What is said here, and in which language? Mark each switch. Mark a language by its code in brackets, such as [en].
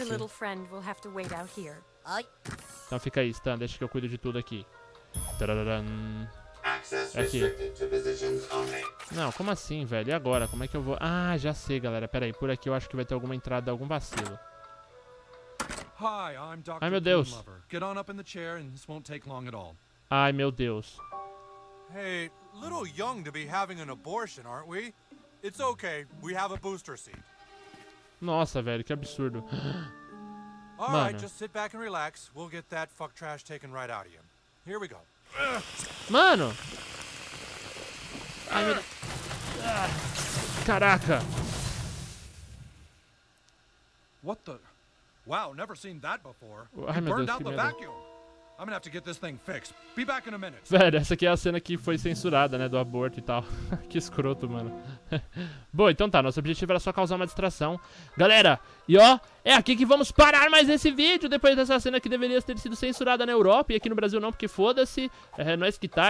[en] Your little friend will have to wait out here. [pt] Então fica aí, Stan, deixa que eu cuido de tudo aqui. Tadadadam. Aqui. Não, como assim, velho? E agora? Como é que eu vou... Ah, já sei, galera. Pera aí, por aqui eu acho que vai ter alguma entrada, algum vacilo. [en] Hi, I'm Dr. [pt] Ai, meu Deus. [en] Get on up in the chair and this won't take long at all. [pt] Ai, meu Deus. [en] Hey, little young to be having an abortion, aren't we? It's okay, we have a booster seat. [pt] Nossa, velho, que absurdo. [en] All right, just sit back and relax. We'll get that fuck trash taken right out of you. Here we go. [pt] Mano! Ai, meu... Caraca! [en] What the? Wow, never seen that before. [pt] Ai, meu Deus, [en] burned out [pt] que medo. [en] Vacuum. I'm gonna have to get this thing fixed. Be back in a minute. [pt] Velho, essa aqui é a cena que foi censurada, né? Do aborto e tal. Que escroto, mano. Bom, então tá. Nosso objetivo era só causar uma distração. Galera, e ó, é aqui que vamos parar mais esse vídeo. Depois dessa cena que deveria ter sido censurada na Europa. E aqui no Brasil não, porque foda-se. É nós que tá.